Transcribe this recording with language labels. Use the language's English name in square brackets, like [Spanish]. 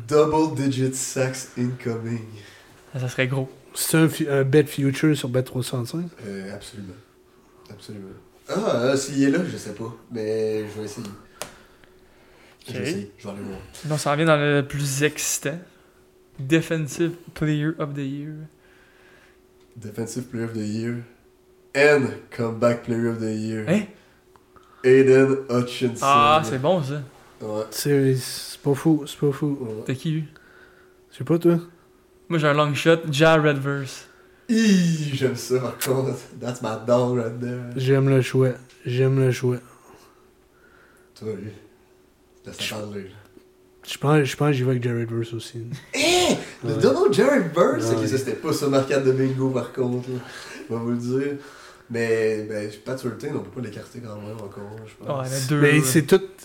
[English] Double digit sacks incoming. [French] Ça serait gros. C'est un bet future sur bet 365? Absolument. Absolument. Ah, s'il est là, je sais pas. Mais je vais essayer. Okay. Je vais essayer. Je vais aller voir. Sinon, ça revient dans le plus excitant. [English] Defensive Player of the Year. Defensive Player of the Year. And Comeback Player of the Year. [French] Hein? Aiden Hutchinson. Ah, c'est bon, ça. Ouais. C'est pas fou. Ouais. T'es qui, lui? Je sais pas, toi. Moi, j'ai un long shot. Jared Verse. J'aime ça, par contre. [English] That's my dog right there. [French] J'aime le chouette. Toi, lui. Laisse-la parler, là. Je pense j'y vais avec Jared Verse aussi. Le double Jared Verse? Ouais. Ça, c'était pas sur le marquage de bingo, par contre. Je vais vous le dire. Mais, Pat Surtain, on peut pas l'écarter quand même, encore, je pense. Ouais, les deux. Mais c'est tout...